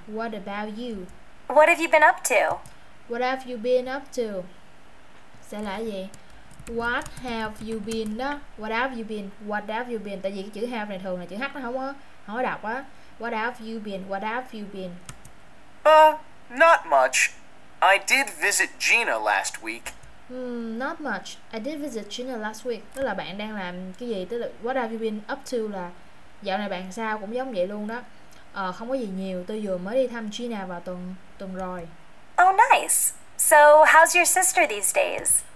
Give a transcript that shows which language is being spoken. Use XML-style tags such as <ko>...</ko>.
<en>What about you? What have you been up to? What have you been up to?</en> <vi>Sẽ là gì?</vi> <en>What have you been đó? What have you been? What have you been?</en> <vi>Tại vì cái chữ have này thường là chữ h nó không có đọc á.</vi> <en>What have you been? What have you been? Not much. I did visit Gina last week. Not much. I did visit Gina last week.</en> <vi>Tức là bạn đang làm cái gì? Tức là</vi> <en>what have you been up to</en> <vi>là dạo này bạn sao, cũng giống vậy luôn đó. Không có gì nhiều, tôi vừa mới đi thăm Gina vào tuần rồi.</vi> <en>Oh nice. So how's your sister these days?</en>